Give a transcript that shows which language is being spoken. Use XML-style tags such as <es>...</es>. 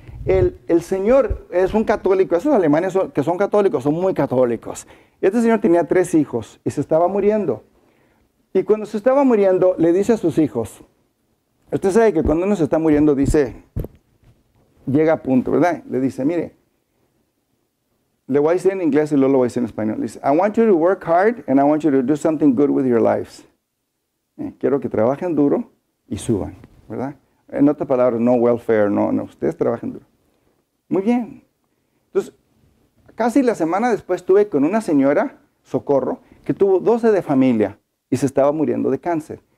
<es>El señor es un católico. Esos alemanes que son católicos son muy católicos. Este señor tenía 3 hijos y se estaba muriendo. Y cuando se estaba muriendo, le dice a sus hijos, usted sabe que cuando uno se está muriendo, dice, llega a punto, ¿verdad? Le dice, mire, le voy a decir en inglés y luego lo voy a decir en español. Le dice,</es> <en>I want you to work hard and I want you to do something good with your lives.</en> <es>Quiero que trabajen duro y suban, ¿verdad? En otras palabras, no welfare, no, ustedes trabajen duro. Muy bien. Entonces, casi la semana después estuve con una señora, Socorro, que tuvo 12 de familia y se estaba muriendo de cáncer.</es>